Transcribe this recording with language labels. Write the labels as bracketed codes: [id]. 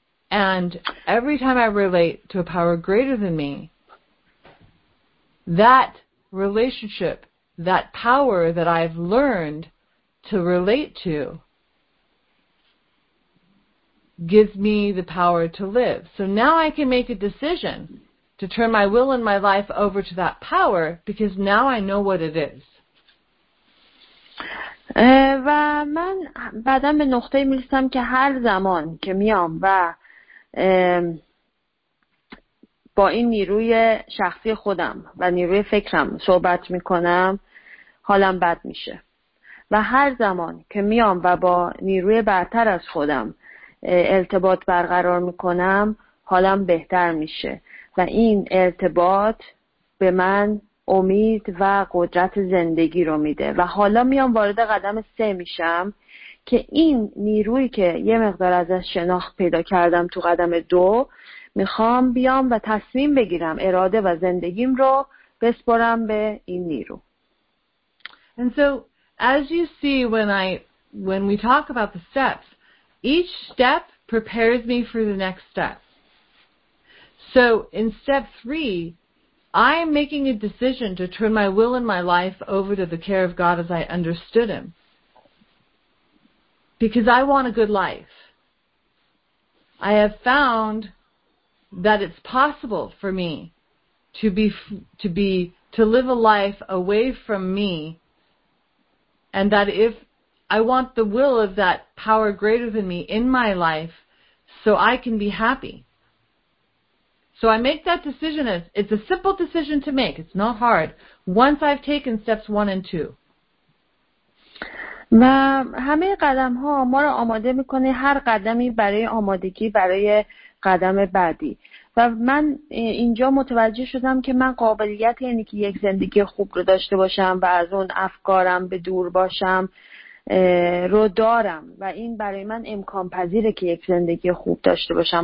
[en] And every time I relate to a power greater than me, that relationship, that power that I've learned to relate to, gives me the power to live. So now I can make a decision to turn my will and my life over to that power because now I know what it is. [fa] و من بعدا به نقطه میرسم که هر زمان که میام و با این نیروی شخصی خودم و نیروی فکرم صحبت میکنم حالم بد میشه و هر زمان که میام و با نیروی برتر از خودم ارتباط برقرار میکنم حالم بهتر میشه و این ارتباط به من امید و قدرت زندگی رو میده و حالا میام وارد قدم سه میشم که این نیرویی که یه مقدار ازش شناخت پیدا کردم تو قدم دو میخوام بیام و تصمیم بگیرم اراده و زندگیم رو بسپارم به این نیرو. [en] And so, as you see, when we talk about the steps, each step prepares me for the next step. So, in step three, I am making a decision to turn my will and my life over to the care of God as I understood him. Because I want a good life. I have found that it's possible for me to live a life away from me. And that if I want the will of that power greater than me in my life, so I can be happy. So I make that decision. It's a simple decision to make. It's not hard. Once I've taken steps one and two. [fa] و همه قدم ها ما رو آماده میکنه هر قدمی برای آمادگی برای قدم بعدی. و من اینجا متوجه شدم که من قابلیت اینی که یک زندگی خوب رو داشته باشم و از اون افکارم به دور باشم رو دارم و این برای من امکان پذیره که یک زندگی خوب داشته باشم.